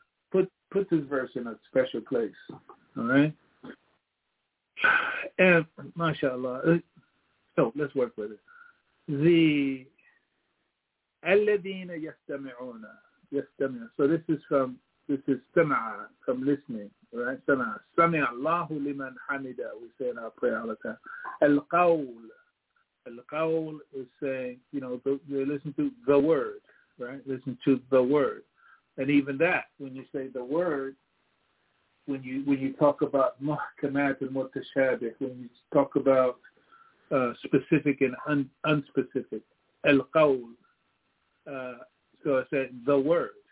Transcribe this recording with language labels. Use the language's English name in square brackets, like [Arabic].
[English] Put this verse in a special place. All right? And, mashallah, so let's work with it. [Arabic] The الَّذِينَ يَسْتَمِعُونَ. [English] So this is سَمَعَ, from listening, right? [Arabic] سَمَعَ. سَمِعَ اللَّهُ لِمَنْ حَمِدَ. [English] We say in our prayer all the time. Al-Qawl is saying, you know, you listen to the word, right? Listen to the word. And even that, when you say the word, when you talk about muhkamat and mutashabih, when you talk about specific and unspecific, al-qawl, so I said the word.